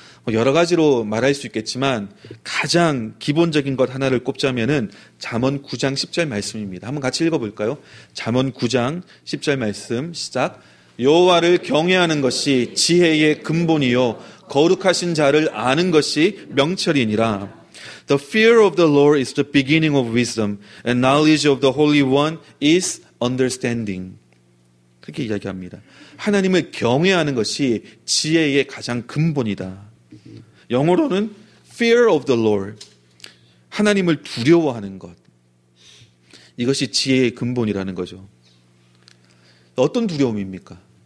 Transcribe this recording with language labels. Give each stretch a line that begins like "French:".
Korean: 여러 가지로 말할 수 있겠지만 가장 기본적인 것 하나를 꼽자면은 잠언 9장 10절 말씀입니다. 한번 같이 읽어볼까요? 잠언 9장 10절 말씀 시작. 여호와를 경외하는 것이 지혜의 근본이요 거룩하신 자를 아는 것이 명철이니라.
English: The fear of the Lord is the beginning of wisdom and knowledge of the Holy One is understanding.
Korean: 그렇게 이야기합니다. 하나님을 경외하는 것이 지혜의 가장 근본이다. 영어로는
English: fear of the Lord,
Korean: 하나님을 두려워하는 것, 이것이 지혜의 근본이라는 거죠. 어떤 두려움입니까?